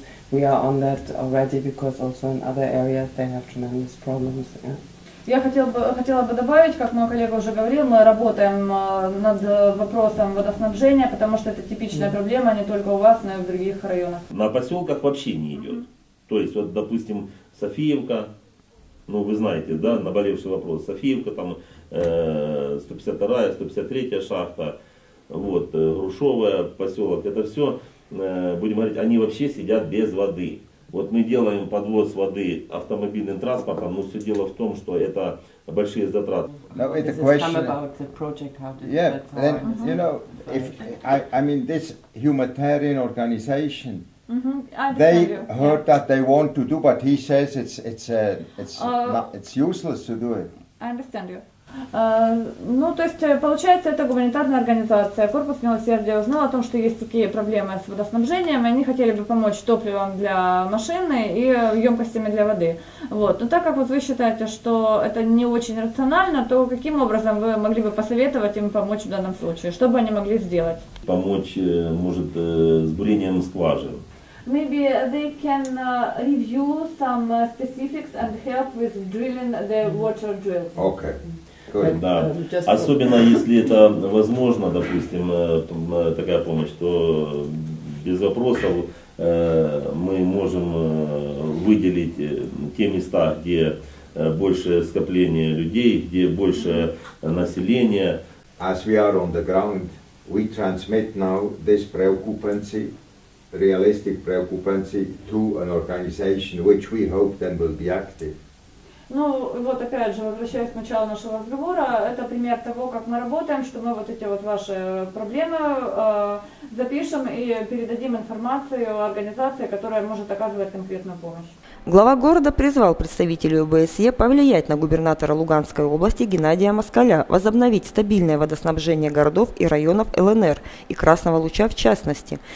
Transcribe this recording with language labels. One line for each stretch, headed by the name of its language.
English: We are on that already because also in other areas they have tremendous problems.
Russian: Я хотела бы добавить, как мой коллега уже говорил, мы работаем над вопросом водоснабжения, потому что это типичная проблема не только у вас, но и в других районах. На поселках вообще не идет. То есть, вот, допустим, Софиевка, ну вы знаете, да, наболевший вопрос, Софиевка, там 152-я, 153-я шахта, вот, Грушовая поселок, это все. Будем говорить, они вообще сидят без воды. Вот мы делаем подвоз воды автомобильным транспортом, но все дело в том, что это большие затраты.
English: No, it's a question. Yeah, then you know, if I mean this humanitarian organization, they heard that they want to do, but he says it's useless to do it. I understand you.
Russian: Ну, то есть, получается, это гуманитарная организация. Корпус милосердия узнал о том, что есть такие проблемы с водоснабжением, и они хотели бы помочь топливом для машины и емкостями для воды. Вот. Но так как вот вы считаете, что это не очень рационально, то каким образом вы могли бы посоветовать им помочь в данном случае? Что бы они могли сделать? Помочь, может, с бурением скважин.
English: Maybe they can review some specifics and help with drilling the water drills. Okay.
Russian: Да. Особенно если это возможно, допустим, такая помощь, то без вопросов мы можем выделить те места, где больше скопление людей, где больше населения.
English: As we are on the ground, we transmit now this preoccupancy, realistic preoccupancy, to an organization which we hope then will be active.
Russian: Ну, вот опять же, возвращаясь к началу нашего разговора, это пример того, как мы работаем, что мы вот эти вот ваши проблемы запишем и передадим информацию организации, которая может оказывать конкретную помощь. Глава города призвал представителей ОБСЕ повлиять на губернатора Луганской области Геннадия Москаля возобновить стабильное водоснабжение городов и районов ЛНР и Красного Луча в частности.